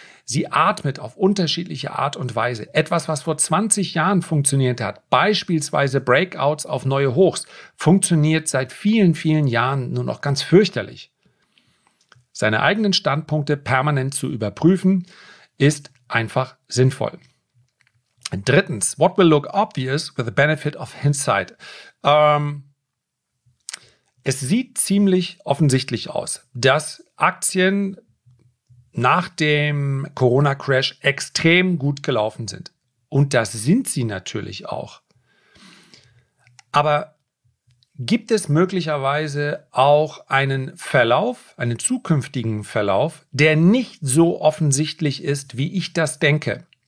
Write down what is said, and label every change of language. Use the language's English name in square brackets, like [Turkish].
[German] Sie atmet auf unterschiedliche Art und Weise. Etwas, was vor 20 Jahren funktioniert hat, beispielsweise Breakouts auf neue Hochs, funktioniert seit vielen, vielen Jahren nur noch ganz fürchterlich. Seine eigenen Standpunkte permanent zu überprüfen, ist einfach sinnvoll. Drittens, [English] what will look obvious with the benefit of hindsight? [German] Es sieht ziemlich offensichtlich aus, dass Aktien nach dem Corona-Crash extrem gut gelaufen sind. Und das sind sie natürlich auch. Aber gibt es möglicherweise auch einen Verlauf, einen zukünftigen Verlauf, der nicht so offensichtlich ist, wie ich das denke?